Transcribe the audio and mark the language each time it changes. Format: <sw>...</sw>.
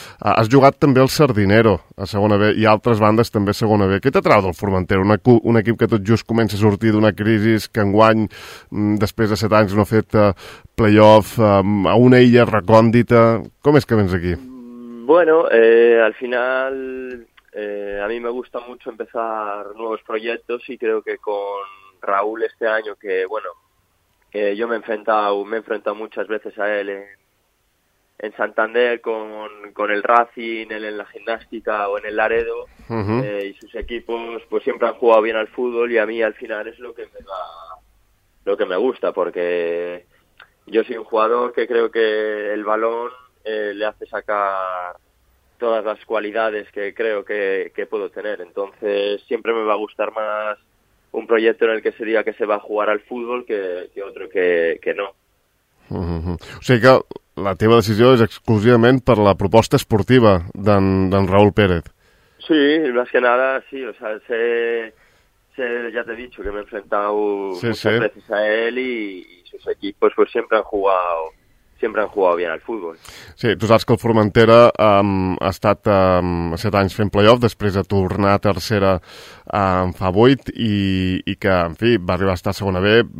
<ca>Has jugat també al Sardinero, a segona B, i altres bandes també a segona B. Què t'atrau del Formentera, un equip que tot just comença a sortir d'una crisi, que enguany, després de 7 anys, no ha fet playoff, a una illa recòndita? Com és que vens aquí?</ca> <es>Bueno, al final... a mí me gusta mucho empezar nuevos proyectos y creo que con Raúl este año, que bueno, que yo me he enfrentado muchas veces a él en Santander con el Racing, él en la Gimnástica o en el Laredo, uh-huh. Y sus equipos pues siempre han jugado bien al fútbol y a mí al final es lo que me gusta, porque yo soy un jugador que creo que el balón le hace sacar todas las cualidades que creo que puedo tener. Entonces, siempre me va a gustar más un proyecto en el que se diga que se va a jugar al fútbol que otro que no.</es> <ca>Uh-huh. O sigui que la teva decisió és exclusivament per la proposta esportiva d'en Raúl Pérez.</ca> <es>Sí, más que nada, sí. O sea, sé, ya te he dicho que me he enfrentado muchas veces a él y sus equipos pues siempre han jugado... bien al futbol.</es> <ca>Sí, tu saps que el Formentera ha estat 7 anys fent playoff, després de tornar a tercera en fa 8, i que, en fi, va arribar a estar a segona B.</ca>